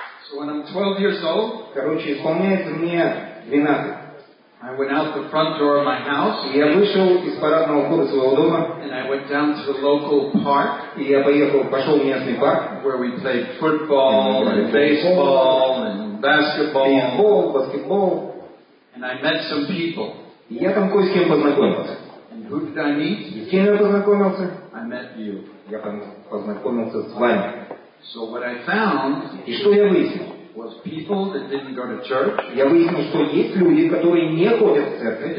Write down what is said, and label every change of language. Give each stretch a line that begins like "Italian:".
English: So when I'm 12 years old,
Russian: короче, исполняется мне 12.
English: I went out the front door of my house.
Russian: Я вышел из парадного входа своего дома.
English: And I went down to the local park.
Russian: И я поехал, пошел в местный парк.
English: Where we played football and baseball and basketball.
Russian: Бейсбол, баскетбол.
English: And I met some people.
Russian: И я там кое с кем познакомился.
English: And who did I meet?
Russian: И с кем я познакомился?
English: I met you.
Russian: Я познакомился с вами.
English: So what I found.
Russian: И что я выяснил?
English: Was people that didn't go to church.
Russian: Я выяснил, что есть люди, которые не ходят в церковь,